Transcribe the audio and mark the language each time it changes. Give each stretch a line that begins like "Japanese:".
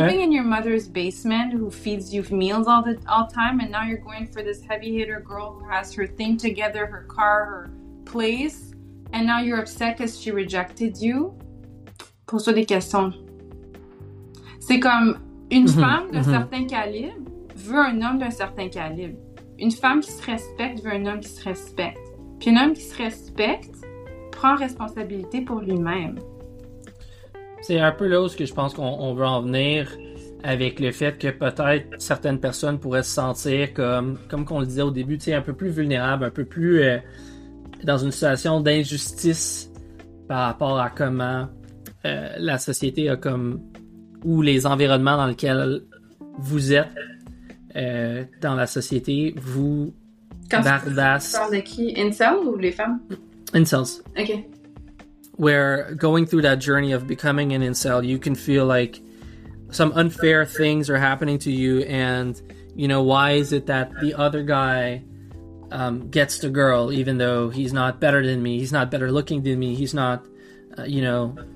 English: living in your mother's basement who feeds you meals all the time and now you're going for this heavy hitter girl who has her thing together, her car, her place, and now you're upset because she rejected you,
French: pose-toi des questions. C'est comme, une femme d'un certain calibre veut un homme d'un certain calibre. Une femme qui se respecte veut un homme qui se respecte. Puis un homme qui se respecte prend responsabilité pour lui-même. C'est un peu là où je pense qu'on veut en venir avec le fait que peut-être certaines personnes pourraient se sentir comme qu'on le disait au début, un peu plus vulnérable, un peu plus dans une situation d'injustice par rapport à comment la société a comme... ou les environnements dans lesquels vous êtes dans la société, vous bardassent... Tu parles de qui? Incels ou les femmes? Incels. OK.
English: Where going through that journey of becoming an incel, you can feel like some unfair things are happening to you and, you know, why is it that the other guy gets the girl even though he's not better than me, he's not better looking than me, he's not, you know...